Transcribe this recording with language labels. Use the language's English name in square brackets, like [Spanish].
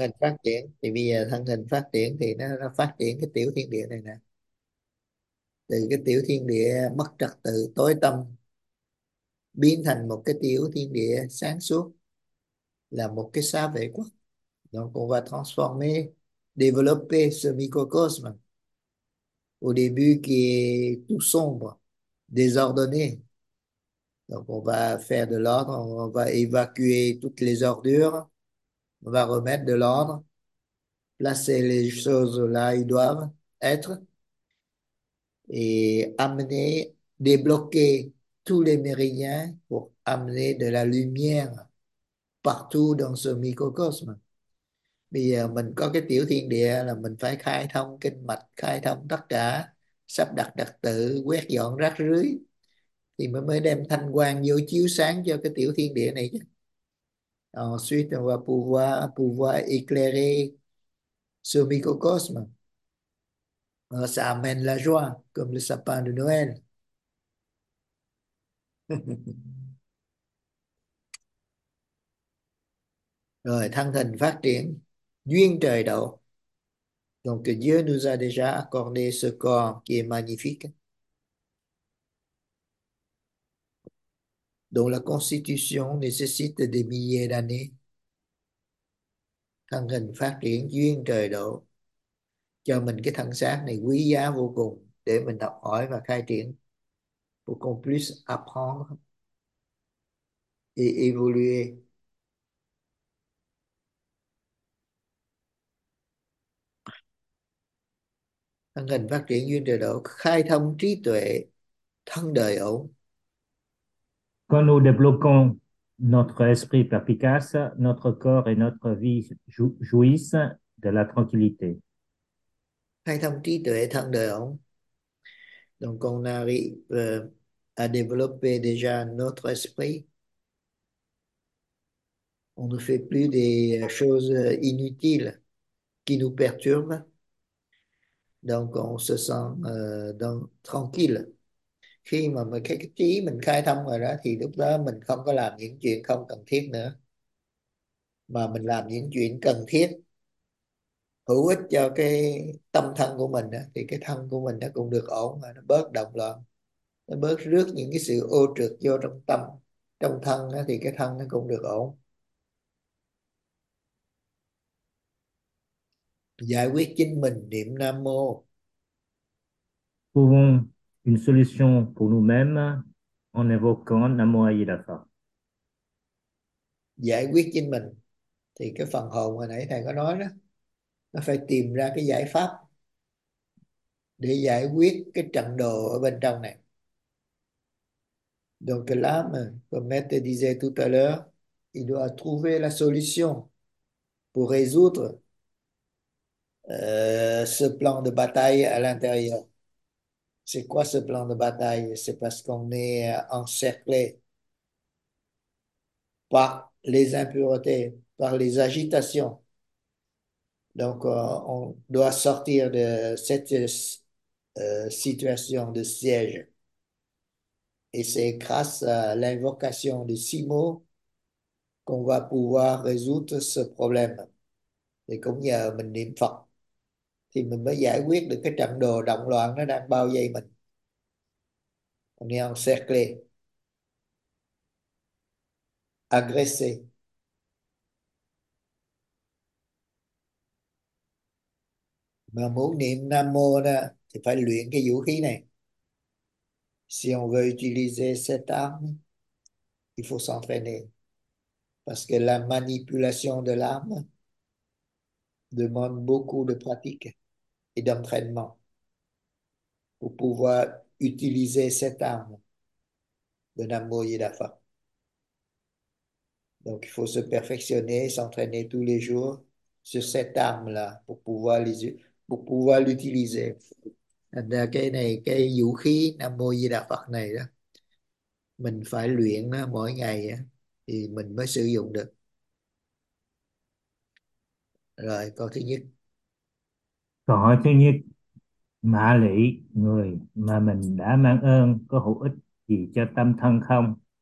[Vietnamese] hình phát triển thì bây giờ thân hình phát triển thì nó phát triển cái tiểu thiên địa này nè, từ cái tiểu thiên địa mất trật tự tối tăm biến thành một cái tiểu thiên địa sáng suốt, là một cái xá vệ quốc. [French] Donc on va transformer, développer ce microcosme. Au début, qui est tout sombre, désordonné. Donc, on va faire de l'ordre, on va évacuer toutes les ordures, on va remettre de l'ordre, placer les choses là où elles doivent être, et amener, débloquer tous les méridiens pour amener de la lumière partout dans ce microcosme. [Vietnamese] Bây giờ mình có cái tiểu thiên địa là mình phải khai thông kinh mạch, khai thông tất cả, sắp đặt trật tự, quét dọn rác rưởi thì mới đem thanh quang vô chiếu sáng cho cái tiểu thiên địa này chứ. [French] Ensuite, on va pouvoir éclairer ce microcosme. Ça amène la joie, comme le sapin de Noël. [Vietnamese] Rồi, thân hình phát triển. Duyên trời độ. [French] Donc Dieu nous a déjà accordé ce corps qui est magnifique, dont la constitution nécessite des milliers d'années. [Vietnamese] Thân hình phát triển duyên trời độ cho mình cái thân xác này quý giá vô cùng để mình học hỏi và khai triển. [French] Pour qu'on puisse apprendre et évoluer. [Vietnamese] Thân hình phát triển duyên trời độ, khai thông trí tuệ, thân đời ổn. [French] Quand nous développons notre esprit perspicace, notre corps et notre vie jouissent de la tranquillité. [Vietnamese] Khai thông trí tuệ, thân đời ổn. [French] Donc on arrive à développer déjà notre esprit. On ne fait plus des choses inutiles qui nous perturbent. Donc on se sent tranquille. [Vietnamese] Khi mà mình cái trí mình khai thông rồi đó thì lúc đó mình không có làm những chuyện không cần thiết nữa, mà mình làm những chuyện cần thiết hữu ích cho cái tâm thân của mình đó, thì cái thân của mình nó cũng được ổn, mà nó bớt động loạn, nó bớt rước những cái sự ô trược vô trong tâm, trong thân đó, thì cái thân nó cũng được ổn, giải quyết chính mình. Niệm Nam Mô. [French] Trouvons une solution pour nous-mêmes en évoquant Nam Mô A Di Đà Phật. [Vietnamese] Giải quyết chính mình thì cái phần hồn hồi nãy thầy có nói đó, nó phải tìm ra cái giải pháp để giải quyết cái trận đồ ở bên trong này. [French] Donc l'âme, comme Maître disait tout à l'heure, il doit trouver la solution pour résoudre ce plan de bataille à l'intérieur. C'est quoi ce plan de bataille? C'est parce qu'on est encerclé par les impuretés, par les agitations. Donc, on doit sortir de cette situation de siège. Et c'est grâce à l'invocation de six mots qu'on va pouvoir résoudre ce problème. [Vietnamese] Et cũng nhờ mình niệm Phật thì mình mới giải quyết được cái trận đồ động loạn nó đang bao vây mình. [French] On est encerclé, agressé. [Vietnamese] Mà muốn niệm Nam Mô đó thì phải luyện cái vũ khí này. [French] Si on veut utiliser cette arme, il faut s'entraîner. Parce que la manipulation de l'arme demande beaucoup de pratique et d'entraînement pour pouvoir utiliser cette arme de Nam Mô Yidapha. Donc, il faut se perfectionner, s'entraîner tous les jours sur cette arme-là pour pouvoir les pour pouvoir l'utiliser. [Vietnamese] Thành ra cái này, cái vũ khí Nam Mô Di Đà Phật này đó, mình phải luyện nó mỗi ngày đó, thì mình mới sử dụng được. Rồi, câu thứ nhất. Câu hỏi thứ nhất, Mã Lị, người mà mình đã mang ơn có hữu ích gì cho tâm thân không?